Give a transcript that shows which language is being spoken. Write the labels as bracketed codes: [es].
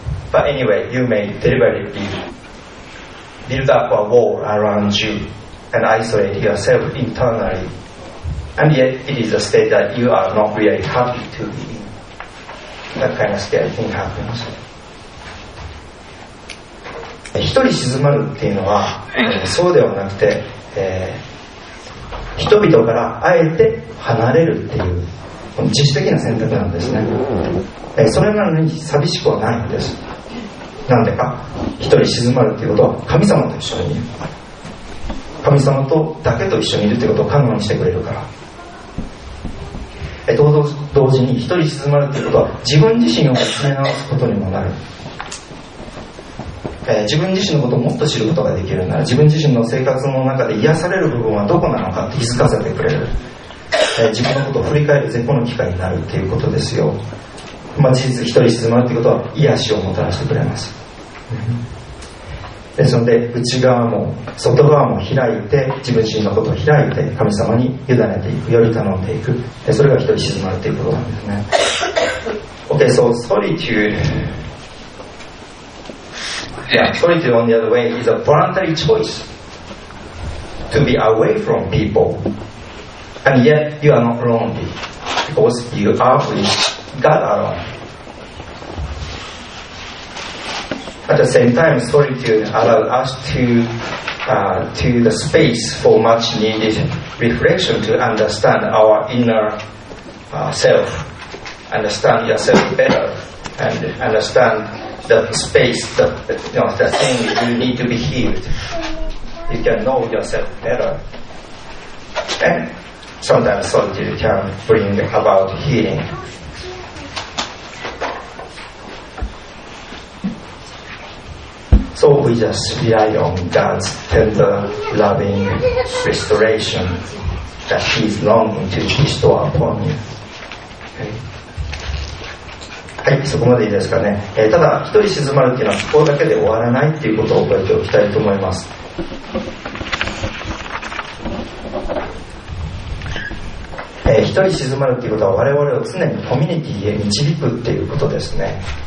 [en] But anyway, you may deliberately build up a wall around you and isolate yourself internally, and yet it is a state that you are not really happy to be in. That kind of scary thing happens. [ja] 一人静まるっていうのは、そうではなくて、人々からあえて離れるっていう自主的な選択なんですね。それなのに寂しくはないんです。なんでか、一人静まるっていうことは神様と一緒にいる、神様とだけと一緒にいるということを可能にしてくれるから。同時に一人静まるっていうことは自分自身を見つめ直すことにもなる。自分自身のことをもっと知ることができるなら、自分自身の生活の中で癒される部分はどこなのかって気づかせてくれる、自分のことを振り返る絶好の機会になるっていうことですよ。まあ、事実一人静まるということは癒しをもたらしてくれます。ですので内側も外側も開いて、自分自身のことを開いて神様に委ねていく、より頼んでいく、それが一人静まるということなんですね。 [en] OK, so solitudeYeah, solitude on the other way is a voluntary choice to be away from people, and yet you are not lonely because you are with God alone. At the same time, solitude allows us to the space for much needed reflection to understand our inner self, understand yourself better, and understandthe space, the thing you need to be healed. You can know yourself better. And sometimes solitude can bring about healing. So we just rely on God's tender, loving restoration that He's longing to bestow upon you. [ja] はい、そこまでいいですかね。ただ一人静まるっていうのはそこだけで終わらないっていうことを覚えておきたいと思います。一人静まるっていうことは我々を常にコミュニティへ導くっていうことですね。